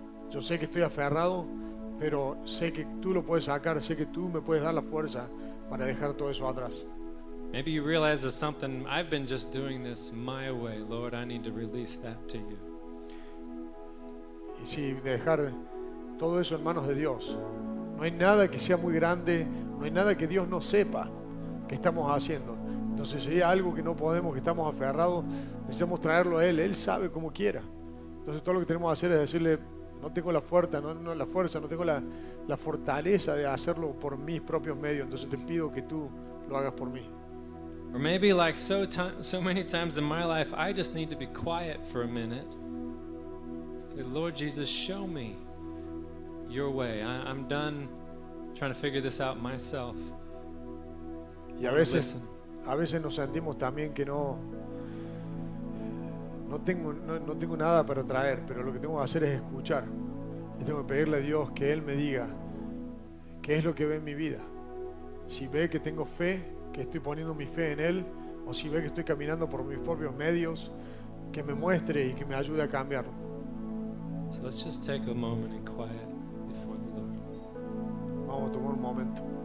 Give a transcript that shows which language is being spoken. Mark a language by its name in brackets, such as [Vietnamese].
[Spanish] Yo sé que estoy aferrado, pero sé que tú lo puedes sacar, sé que tú me puedes dar la fuerza para dejar todo eso atrás. [English] Maybe you realize there's something, I've been just doing this my way, Lord, I need to release that to you. [Spanish] Y si dejar todo eso en manos de Dios, no hay nada que sea muy grande, no hay nada que Dios no sepa que estamos haciendo. Entonces si hay algo que no podemos, que estamos aferrados, necesitamos traerlo a Él. Él sabe como quiera. Entonces todo lo que tenemos que hacer es decirle, no tengo la fuerza, no tengo la fortaleza de hacerlo por mis propios medios, entonces te pido que tú lo hagas por mí. [English] Or maybe like so many times in my life, I just need to be quiet for a minute. Say, Lord Jesus, show me your way. I'm done trying to figure this out myself. [Spanish] Y a veces nos sentimos también que no tengo nada para traer, pero lo que tengo que hacer es escuchar. Y tengo que pedirle a Dios que Él me diga qué es lo que ve en mi vida. Si ve que tengo fe, que estoy poniendo mi fe en Él, o si ve que estoy caminando por mis propios medios, que me muestre y que me ayude a cambiarlo. [English] So let's just take a moment in quiet before the Lord. [Spanish] Vamos a tomar un momento.